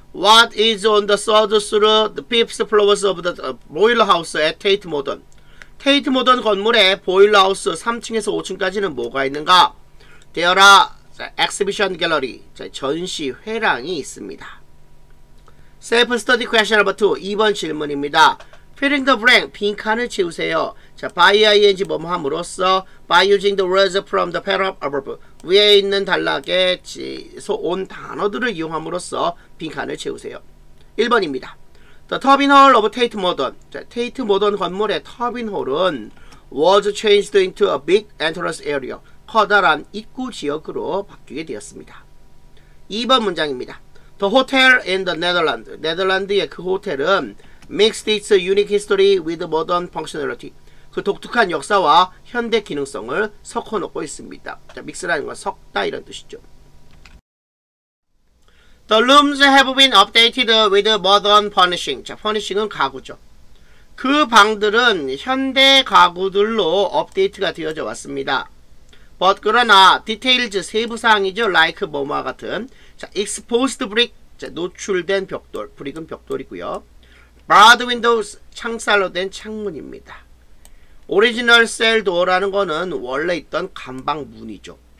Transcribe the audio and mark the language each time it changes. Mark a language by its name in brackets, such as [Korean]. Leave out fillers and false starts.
[English] What is on the third floor, the fifth floors of the boiler house at Tate Modern? [Korean] 테이트 모던 건물에 보일러하우스 3층에서 5층까지는 뭐가 있는가? [English] There are exhibition gallery, [Korean] 전시회랑이 있습니다. [English] Self-study question number 2, [Korean] 2번 질문입니다. [English] Filling the blank, [Korean] 빈칸을 채우세요. 자, by ing 범함으로써 [English] by using the words from the paragraph above, [Korean] 위에 있는 단락에 온 단어들을 이용함으로써 빈칸을 채우세요. 1번입니다. [English] The Turbinhall of Tate Modern. [Korean] 자, Tate Modern 건물의 터빈홀은 [English] was changed into a big entrance area. [Korean] 커다란 입구 지역으로 바뀌게 되었습니다. 2번 문장입니다. [English] The hotel in the Netherlands. [Korean] 네덜란드의 그 호텔은 [English] mixed its unique history with modern functionality. [Korean] 그 독특한 역사와 현대 기능성을 섞어 놓고 있습니다. 자, mix라는 건 섞다 이런 뜻이죠. [English] The rooms have been updated with modern furnishing. [Korean] 자, furnishing은 가구죠. 그 방들은 현대 가구들로 업데이트가 되어져 왔습니다. But 그러나 details 세부 사항이죠. Like 뭐뭐 같은. 자, exposed brick 노출된 벽돌, 브릭은 벽돌이고요. [English] Broad windows [Korean] 창살로 된 창문입니다. [English] Original cell door [Korean] 라는 거는 원래 있던 감방 문이죠.